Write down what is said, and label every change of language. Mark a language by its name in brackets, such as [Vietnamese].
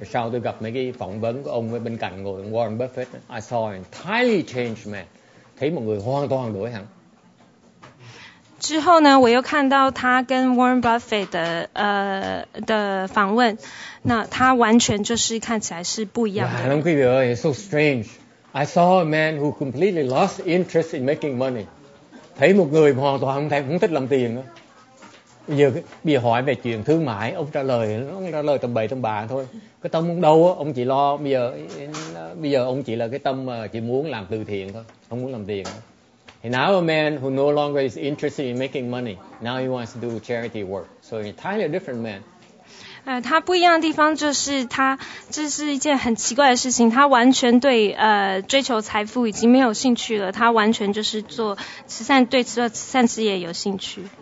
[Vietnamese] Sau tôi gặp mấy cái phỏng vấn của ông với bên cạnh ngồi Warren Buffett, [English] I saw an entirely changed man. [Vietnamese] Thấy một người hoàn toàn đổi hẳn. [Chinese] 之后呢，我又看到他跟 Warren Buffett 的访问，那他完全就是看起来是不一样的。 [English] Wow, [Vietnamese] quý vị ơi, [English] it's so strange. I saw a man who completely lost interest in making money. [Vietnamese] thấy một người hoàn toàn không thèm, không thích làm tiền nữa. Bây giờ hỏi về chuyện thương mại, ông trả lời tầm bậy tầm bạ thôi. Cái tâm ông đâu á, ông chỉ lo bây giờ ông chỉ là cái tâm chỉ muốn làm từ thiện thôi, không muốn làm tiền. [English] He now a man who no longer is interested in making money. Now he wants to do charity work. So he's entirely a different man. [Chinese] 他不一样的地方就是他这是一件很奇怪的事情，他完全对追求财富已经没有兴趣了，他完全就是做慈善，对慈善事业有兴趣。